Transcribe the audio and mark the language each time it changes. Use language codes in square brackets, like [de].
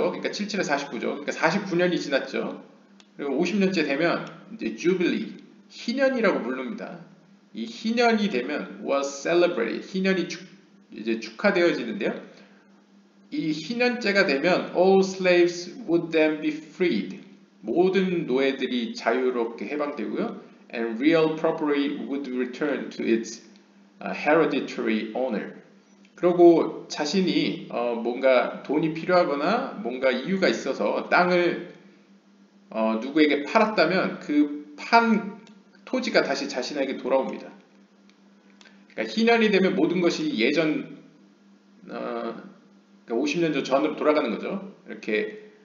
[ko] 그러니까 77에 49죠. 그러니까 49년이 지났죠. 그리고 50년째 되면 이제 Jubilee, 희년이라고 부릅니다. 이 희년이 되면 [en] was celebrated, [ko] 희년이 이제 축하되어지는데요. 이 희년째가 되면 [en] all slaves would then be freed. [ko] 모든 노예들이 자유롭게 해방되고요. [en] And real property would return to its hereditary owner. [ko] 그러고 자신이 뭔가 돈이 필요하거나 뭔가 이유가 있어서 땅을 누구에게 팔았다면 그판 토지가 다시 자신에게 돌아옵니다. 그러니까 희년이 되면 모든 것이 예전 그러니까 50년 전으로 돌아가는 거죠. 이렇게